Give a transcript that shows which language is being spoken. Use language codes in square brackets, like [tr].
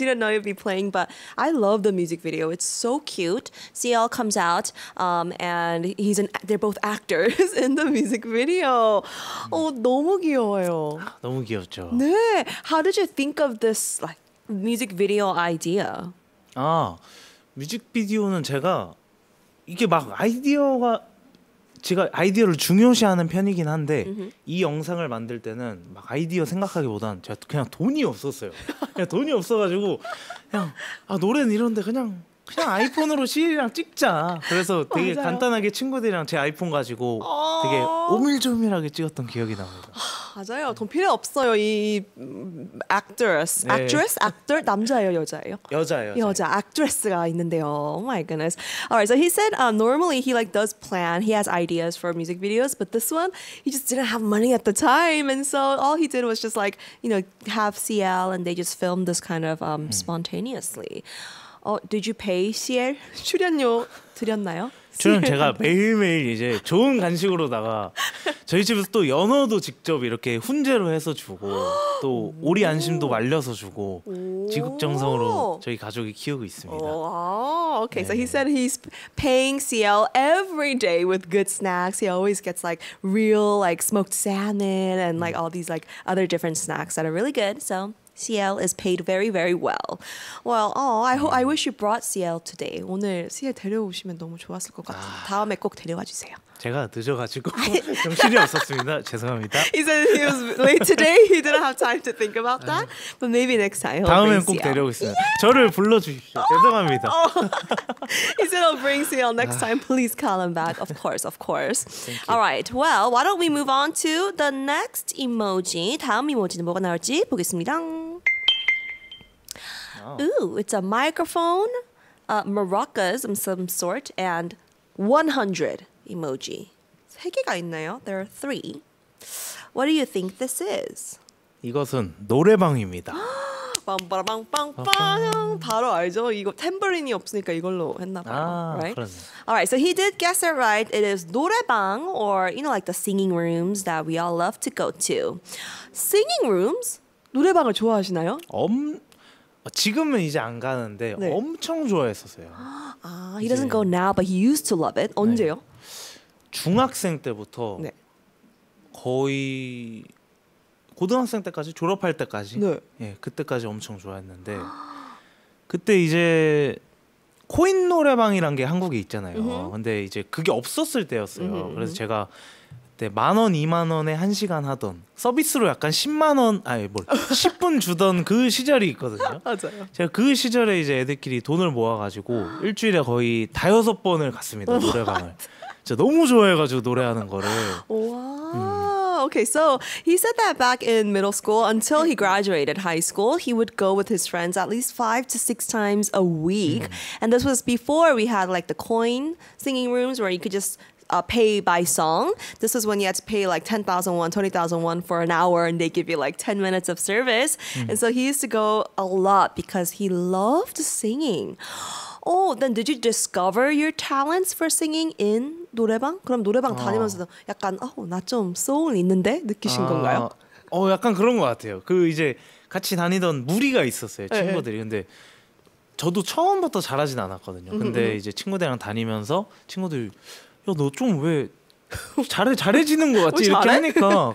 [en] He didn't know he'd be playing, but I love the music video. It's so cute. Siel comes out, and he's an. They're both actors in the music video. Oh, [ko] 너무 귀여워요. 너무 귀엽죠. 네. [en] How did you think of this like music video idea? [ko] 아, 뮤직비디오는 제가 이게 막 아이디어가 제가 아이디어를 중요시하는 편이긴 한데 이 영상을 만들 때는 막 아이디어 생각하기보단 제가 그냥 돈이 없었어요. 그냥 돈이 없어가지고 그냥 아 노래는 이런데 그냥 아이폰으로 시엘이랑 찍자. 그래서 되게 맞아요. 간단하게 친구들이랑 제 아이폰 가지고 되게 오밀조밀하게 찍었던 기억이 납니다. 맞아요. 돈 필요 없어요. 이 actress, actress, 네. actor 남자예요, 여자예요? 여자예요. 여자 저희. [en] actress가 있는데요. Oh my goodness. Alright, so he said normally he like does plan. He has ideas for music videos, but this one he just didn't have money at the time, and so all he did was just like you know have CL and they just filmed this kind of spontaneously. Oh, did you pay CL [ko] 출연료 드렸나요? 저는 제가 매일매일 이제 좋은 간식으로다가 저희 집에서 또 연어도 직접 이렇게 훈제로 해서 주고 또 오리 안심도 말려서 주고 지극정성으로 저희 가족이 키우고 있습니다. [en] 오, okay, 네. so he said he's paying CL every day with good snacks. He always gets like real like smoked salmon and like all these like other different snacks that are really good. So Siel is paid very, very well. Well, oh, I wish you brought Siel today. [ko] 오늘 Siel 데려오시면 너무 좋았을 것 같아요. 다음에 꼭 데려와 주세요. 제가 늦어가지고 정신이 없었습니다. 죄송합니다. [en] He said he was late today. He didn't have time to think about that. But maybe next time. [ko] 다음엔 꼭 데려오겠습니다. 저를 불러주십시오. 죄송합니다. [en] He said I'll bring Siel next time. Please call him back. Of course, of course. All right. Well, why don't we move on to the next emoji? [ko] 다음 이모지는 뭐가 나올지 보겠습니다. [en] Ooh, it's a microphone, maracas of some sort, and 100 emoji. [ko] 세 개가 있네요. [en] There are three. What do you think this is? [ko] 이것은 노래방입니다. 빵빠라빵빵빵 바로 알죠? 이거 탬버린이 없으니까 이걸로 했나 봐요. 아, [en] right? All right, so he did guess it right. It is 노래방, or you know, like the singing rooms that we all love to go to. Singing rooms? [ko] 노래방을 좋아하시나요? 지금은 이제 안 가는데 네. 엄청 좋아했었어요. [en] 아, he doesn't go now, but he used to love it. [ko] 언제요? 중학생 때부터 네. 거의 고등학생 때까지 졸업할 때까지 네. 예, 그때까지 엄청 좋아했는데 그때 이제 코인 노래방이란 게 한국에 있잖아요. 음흠. 근데 이제 그게 없었을 때였어요. 음흠. 그래서 제가 그때 만 원, 이만 원에 한 시간 하던 서비스로 약간 10만 원, 아니 뭘 10분 주던 그 시절이 있거든요. 맞아요. 제가 그 시절에 이제 애들끼리 돈을 모아가지고 일주일에 거의 다여섯 번을 갔습니다. 노래방을. 진짜 너무 좋아해가지고 노래하는 거를. 와. [en] Okay, so he said that back in middle school until he graduated high school, he would go with his friends at least 5 to 6 times a week. And this was before we had like the coin singing rooms where you could just pay by song. This is when you had to pay like 10,000 won, 20,000 won for an hour and they give you like 10 minutes of service. And so he used to go a lot because he loved singing. Oh, then did you discover your talents for singing in 노래방? [ko] 그럼 노래방 다니면서 약간 나 좀 소울 있는데 느끼신 건가요? 약간 그런 것 같아요. 그 이제 같이 다니던 무리가 있었어요. 친구들이. 근데 저도 처음부터 잘하진 않았거든요. 근데 이제 친구들이랑 다니면서 친구들이 야, 너 좀 왜 잘해지는 것 같지? 이렇게 하니까.